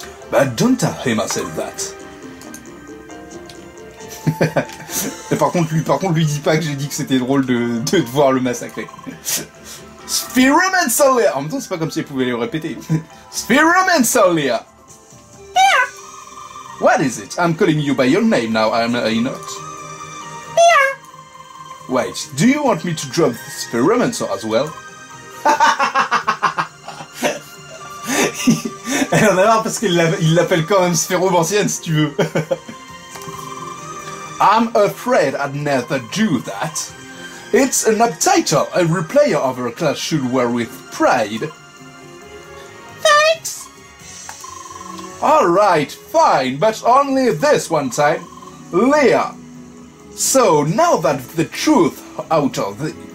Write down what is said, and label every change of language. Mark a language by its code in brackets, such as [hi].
[en] But don't tell him I said that. [fr] Et par contre lui dit pas que j'ai dit que c'était drôle de devoir le massacrer. [en] Spearum and Solia. [fr] En même temps, c'est pas comme si elle pouvait le répéter. [en] Spearum and Solia. Yeah. What is it? I'm calling you by your name now, am I not? Yeah. Wait, do you want me to drop the Spearum and Solia as well? [fr] Elle en a marre parce qu'il l'appelle quand même Spearum ancienne, si tu veux. [en] I'm afraid I'd never do that. It's an apt title every player of our class should wear with pride. Thanks! Alright, fine, but only this one time. Léa! So, now that the truth out of the...